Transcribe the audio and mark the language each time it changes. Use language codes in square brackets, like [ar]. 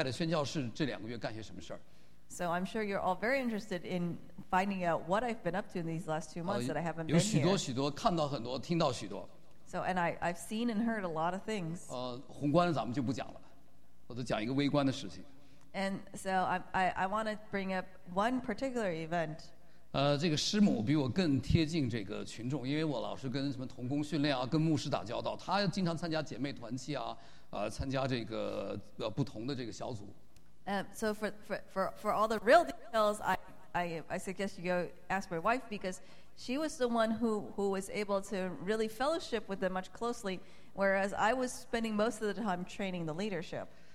[zh] 大家一定很好奇我作为教会差派的宣教士这两个月干些什么事儿。 [en] So I'm sure you're all very interested in finding out what I've been up to in these last 2 months that I haven't been here. [zh] 有许多许多看到很多听到许多。 [en] So and I've seen and heard a lot of things. [zh] 宏观的咱们就不讲了， 我都讲一个微观的事情。 [en] And so I want to bring up one particular event. [zh] 这个师母比我更贴近这个群众， 因为我老是跟什么同工训练啊， 跟牧师打交道， 她经常参加姐妹团契啊， 参加这个不同的这个小组。 [en] So for all the real details, I suggest you go ask my wife because she was the one who was able to really fellowship with them much closely, whereas I was spending most of the time training the leadership.